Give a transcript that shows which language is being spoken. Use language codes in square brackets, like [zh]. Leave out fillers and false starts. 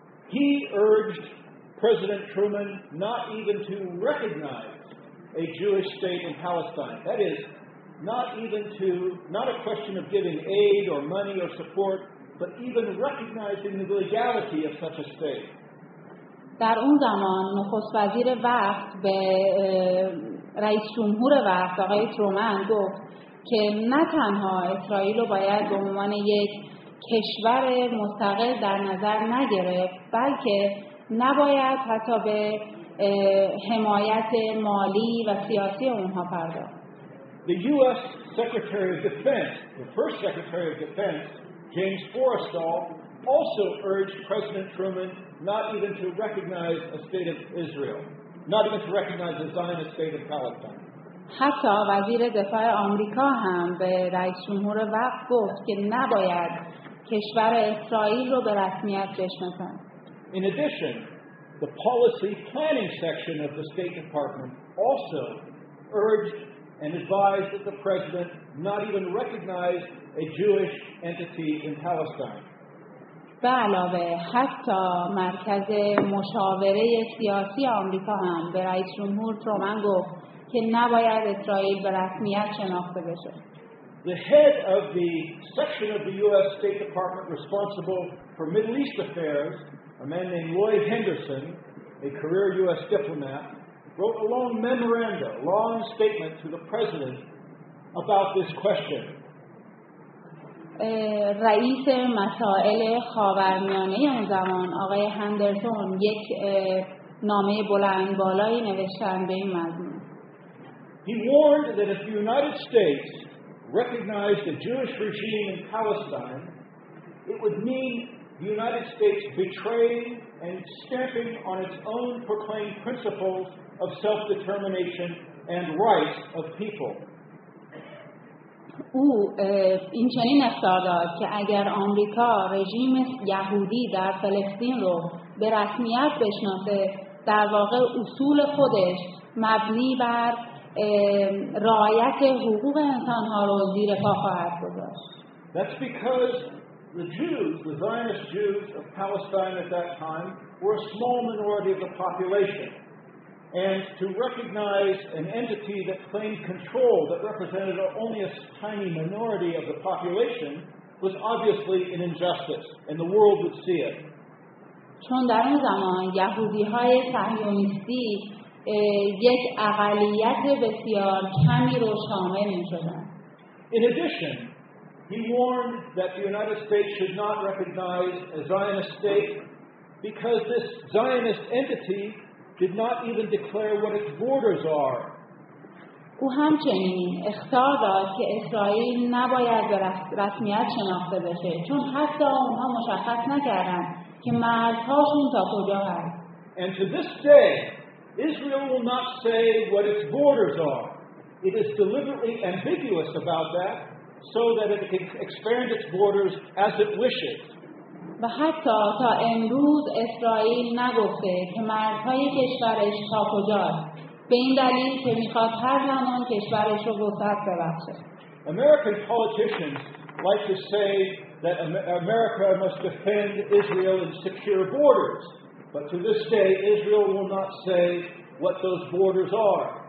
[en] He urged President Truman not even to recognize a Jewish state in Palestine. That is, not a question of giving aid or money or support, but even recognizing the legality of such a state. [fa] در اون زمان نخست وزیر وقت به رئیس جمهور وقت آقای ترومن گفت که نه تنها اسرائیل رو باید به عنوان یک کشور مستقل در نظر نگرفت، بلکه نباید حتی به حمایت مالی و سیاسی اونها پرداخت. [en] The US Secretary of Defense, the first Secretary of Defense, James Forrestal also urged President Truman not even to recognize a state of Israel, not even to recognize a Zionist state of Palestine. [fa] حتی وزیر دفاع آمریکا هم به رئیس جمهور وقت گفت که نباید کشور اسرائیل رو به رسمیت بشناسن. [en] In addition, the policy planning section of the State Department also urged and advised that the president not even recognize a Jewish entity in Palestine. [fa] به علاوه حتی مرکز مشاوره سیاسی آمریکا هم به رئیس جمهور ترومن گفت که نباید اسرائیل به رسمیت شناخته بشه. [en] The head of the section of the US State Department responsible for Middle East affairs, a man named Lloyd Henderson, a career US diplomat, wrote a long memoranda, long statement to the president about this question. [fa] رئیس مسائل خاورمیانه اون زمان آقای هندرسون یک نامه بلند بالایی نوشتن به این مضمون. [en] He warned that if the United States recognized a Jewish regime in Palestine, it would mean the United States betraying and stamping on its own proclaimed principles of self-determination and rights of people. [fa] او این چنین اخطار داد که اگر آمریکا رژیم یهودی در فلسطین رو به رسمیت بشناسه، در واقع اصول خودش مبنی بر رعایت حقوق انسان ها رو زیر پا خواهد گذاشت. [en] That's because the Jews, the Zionist Jews of Palestine at that time, were a small minority of the population. And to recognize an entity that claimed control that represented only a tiny minority of the population was obviously an injustice, and the world would see it. [fa] چون در اون زمان یهودی‌های صهیونیستی یک اقلیت بسیار کمی رو شامل می‌شدند. [en] In addition, he warned that the United States should not recognize a Zionist state because this Zionist entity did not even declare what its borders are. [fa] او همچنین اخطار داد که اسرائیل نباید به رسمیت شناخته بشه چون حتی اونها مشخص نکردن که مرزهاشون تا کجا هست. [en] And to this day, Israel will not say what its borders are. It is deliberately ambiguous about that so that it can expand its borders as it wishes. [fa] و حتی تا امروز اسرائیل نگفته که مرزهای کشورش تا کجاست، به این دلیل که میخواد هر زمان کشورش رو وسعت ببخشه. [en] American politicians like to say that America must defend Israel and secure borders, but to this day Israel will not say what those borders are.